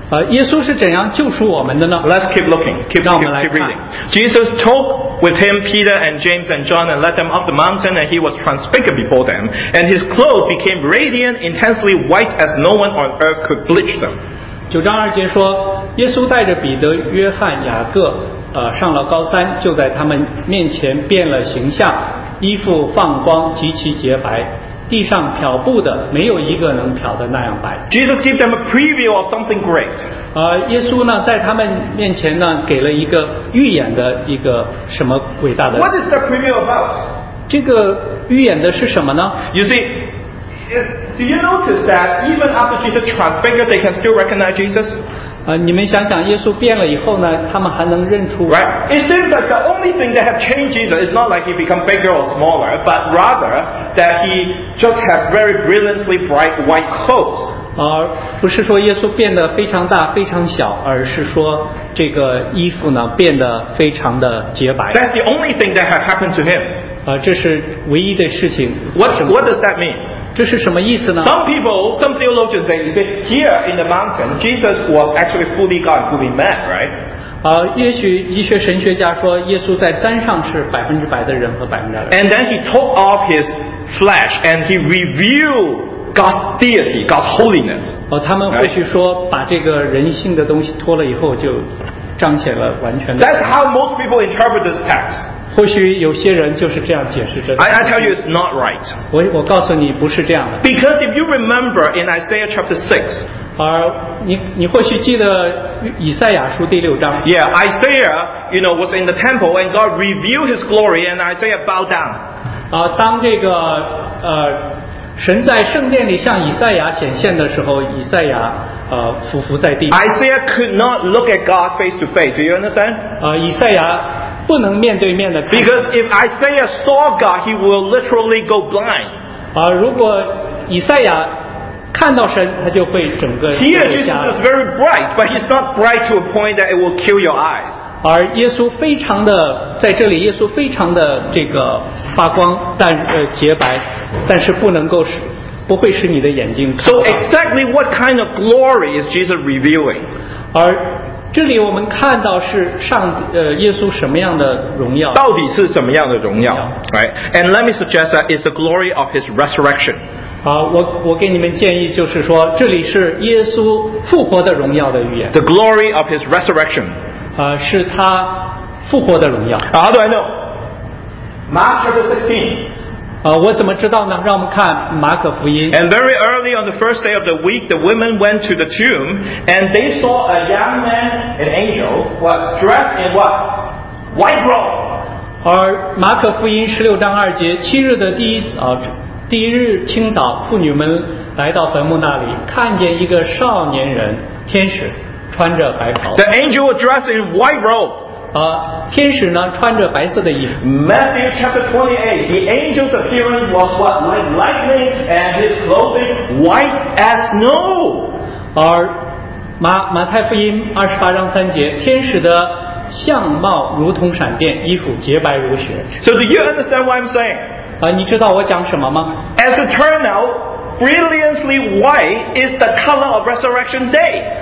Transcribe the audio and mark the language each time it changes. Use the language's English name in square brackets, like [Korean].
[Chinese] 耶稣是怎样救赎我们的呢？ [English] Let's keep looking. Keep reading. Jesus took with him Peter and James and John and led them up the mountain, and he was transfigured before them, and his clothes became radiant, intensely white as no one on earth could bleach them. [Chinese] 九章二节说，耶稣带着彼得、约翰、雅各。上了高山，就在他们面前变了形象，衣服放光，极其洁白。地上漂布的，没有一个能漂得那样白。 [English] Jesus gave them a preview of something great. [Chinese] 耶稣呢，在他们面前呢，给了一个预演的一个什么伟大的。 [English] What is the preview about? [Chinese] 这个预演的是什么呢 [English] ？You see, do you notice that even after Jesus transfigured, they can still recognize Jesus? [Chinese] 你们想想，耶稣变了以后呢，他们还能认出 [English] ？Right. It seems that the only thing that have changed Jesus is not like he become bigger or smaller, but rather that he just have very brilliantly bright white clothes. [Chinese] 不是说耶稣变得非常大、非常小，而是说这个衣服呢变得非常的洁白。 [English] That's the only thing that have happened to him. [Chinese] 这是唯一的事情。 [English] What does that mean? [Chinese] 这是什么意思呢 [English] ？Some people, some theologians say, you see, here in the mountain, Jesus was actually fully God, fully man, right? [Chinese] 也许医学神学家说，耶稣在山上是百分之百的人和百分之百的。 [English] And then he took off his flesh and he revealed God's deity, God's holiness. [Chinese] 他们或许说，把这个人性的东西脱了以后，就彰显了完全的。 [English] That's how most people interpret this text. [Chinese] 或许有些人就是这样解释这个。 [English] I tell you it's not right. [Chinese] 我告诉你不是这样的。 [English] Because if you remember in Isaiah chapter 6. [Chinese] 你或许记得以赛亚书第六章。 [English] Yeah, Isaiah, you know, was in the temple and God revealed his glory and Isaiah bowed down. [Chinese] 当这个神在圣殿里向以赛亚显现的时候，以赛亚伏在地。 [English] Isaiah could not look at God face to face. Do you understand? [Chinese] 以赛亚不能面对面的看。 [English] Because if Isaiah saw God, he will literally go blind. [Chinese] 啊，如果以赛亚看到神，他就会整个瞎了。 [English] Here Jesus is very bright, but he's not bright to a point that it will kill your eyes. [Chinese] 而耶稣非常的在这里，耶稣非常的这个发光，但洁白，但是不能够使。不会使你的眼睛看到。 [English] So exactly what kind of glory is Jesus revealing? [Chinese] 而这里我们看到是上耶稣什么样的荣耀，到底是什么样的荣耀。 [English] Right? And let me suggest that it's the glory of his resurrection. [Chinese] 我给你们建议就是说，这里是耶稣复活的荣耀的预言。 [English] The glory of his resurrection. [Chinese] 是他复活的荣耀。 [English] How do I know? Mark chapter 16. [Chinese] 我怎么知道呢？让我们看马可福音。 [English] And very early on the first day of the week, the women went to the tomb, and they saw a young man, an angel, what dressed in what? White robe. [Chinese] 而马可福音十六章二节，七日的第一日清早，妇女们来到坟墓那里，看见一个少年人，天使穿着白袍。 [English] The angel dressed in white robe. [Chinese] 天使呢穿着白色的衣服。 [English] Matthew chapter 28, the angel's appearance was what? Like lightning, and his clothing white as snow. [Chinese] 而马太福音二十八章三节，天使的相貌如同闪电，衣服洁白如雪。 [English] So do you understand what I'm saying? [Chinese] 你知道我讲什么吗？ [English] As it turned out, brilliantly white is the color of resurrection day.